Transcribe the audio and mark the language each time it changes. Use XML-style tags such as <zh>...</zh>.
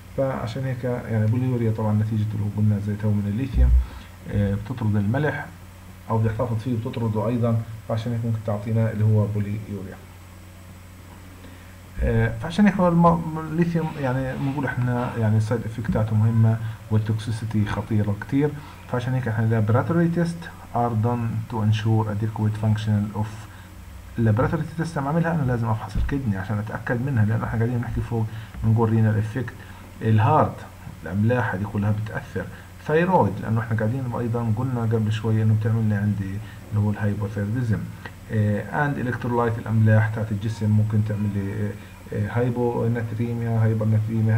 <ar>فعشان هيك يعني بوليوريا طبعا نتيجه اللي قلنا زي تو من الليثيوم بتطرد الملح او بيحتفظ فيه بتطرده ايضا، فعشان هيك ممكن تعطينا اللي هو بوليوريا. فعشان هيك الليثيوم يعني بنقول احنا يعني السايد افكت تاعته مهمه والتوكسيسيتي خطيره كثير. فعشان هيك احنا لابراتوري تيست</ar> <en>are done to ensure adequate functional of laboratory test.</en> <ar>عم عملها انا لازم افحص الكدني عشان اتاكد منها، لانه احنا قاعدين نحكي فوق بنقول رينال افكت، الهارت الاملاح هذه كلها بتاثر، ثايرويد لانه احنا قاعدين ايضا قلنا قبل شوي انه بتعمل لي عندي اللي هو الهايبوثايرويديزم، اند الكترولايت الاملاح تاعت الجسم ممكن تعمل لي هايبوناتريميا، هايبرناتريميا.</ar>